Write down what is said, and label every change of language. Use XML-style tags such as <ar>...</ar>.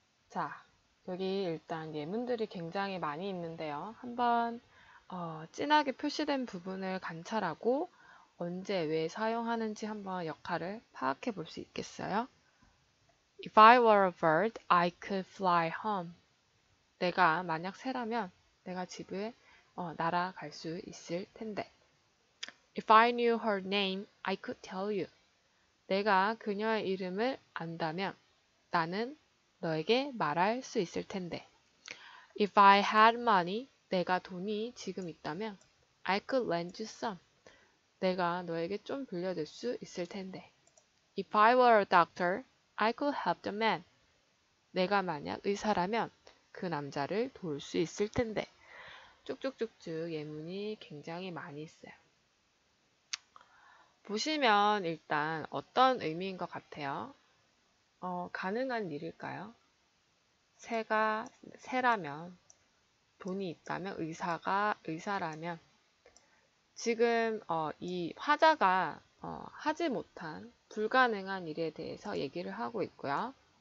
<ko>자, 여기 일단 예문들이 굉장히 많이 있는데요. 한번 진하게 표시된 부분을 관찰하고 언제 왜 사용하는지 한번 역할을 파악해 볼수 있겠어요?</ko> <en>If I were a bird, I could fly home.</en> <ko>내가 만약 새라면 내가 집에 날아갈 수 있을 텐데.</ko> <en>If I knew her name, I could tell you.</en> <ko>내가 그녀의 이름을 안다면 나는 너에게 말할 수 있을 텐데.</ko> <en>If I had money,</en> <ko>내가 돈이 지금 있다면</ko> <en>I could lend you some.</en> <ko>내가 너에게 좀 빌려줄 수 있을 텐데.</ko> <en>If I were a doctor, I could help the man.</en> <ko>내가 만약 의사라면 그 남자를 도울 수 있을 텐데. 쭉쭉쭉쭉 예문이 굉장히 많이 있어요. 보시면 일단 어떤 의미인 것 같아요? 가능한 일일까요? 새라면, 돈이 있다면, 의사라면, 지금 이 화자가 하지 못한 불가능한 일에 대해서 얘기를 하고 있고요.</ko>